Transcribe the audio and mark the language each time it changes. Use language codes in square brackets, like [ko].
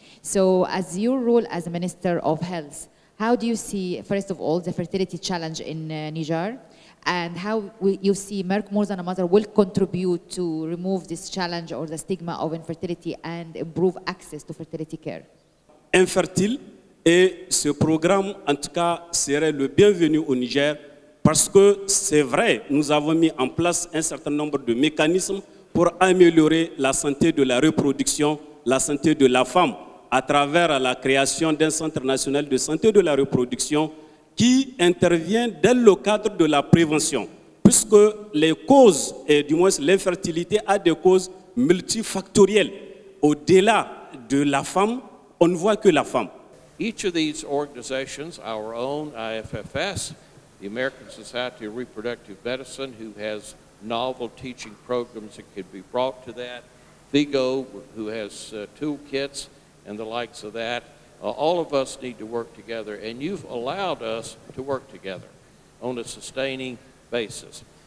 [en] So as your role as a Minister of Health, how do you see, first of all, the fertility challenge in Niger, and how you see Merck More Than a Mother will contribute to remove this challenge or the stigma of infertility and improve access to fertility care? Infertile. [fr] Et ce programme, en tout cas, serait le bienvenu au Niger parce que c'est vrai, nous avons mis en place un certain nombre de mécanismes pour améliorer la santé de la reproduction, la santé de la femme, à travers la création d'un centre national de santé de la reproduction qui intervient dès le cadre de la prévention, puisque les causes, et du moins l'infertilité, a des causes multifactorielles. Au-delà de la femme, on ne voit que la femme. [en] Each of these organizations, our own IFFS, the American Society of Reproductive Medicine, who has novel teaching programs that could be brought to that, VIGO, who has toolkits and the likes of that, all of us need to work together, and you've allowed us to work together on a sustaining basis.